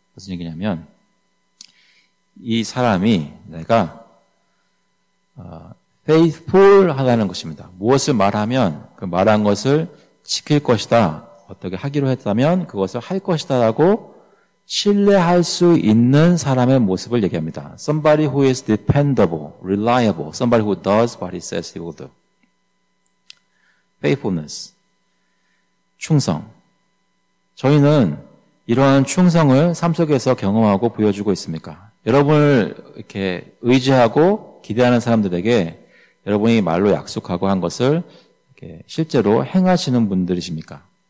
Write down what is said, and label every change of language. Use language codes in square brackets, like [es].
[ko] 무슨 얘기냐면 이 사람이 내가 faithful하다는 것입니다. 무엇을 말하면 그 말한 것을 지킬 것이다. 어떻게 하기로 했다면 그것을 할 것이다 라고 신뢰할 수 있는 사람의 모습을 얘기합니다. [en] Somebody who is dependable, reliable, somebody who does what he says he will do. [ko] Faithfulness, 충성. 저희는 이러한 충성을 삶 속에서 경험하고 보여주고 있습니까? 여러분을 이렇게 의지하고 기대하는 사람들에게 여러분이 말로 약속하고 한 것을 이렇게 실제로 행하시는 분들이십니까?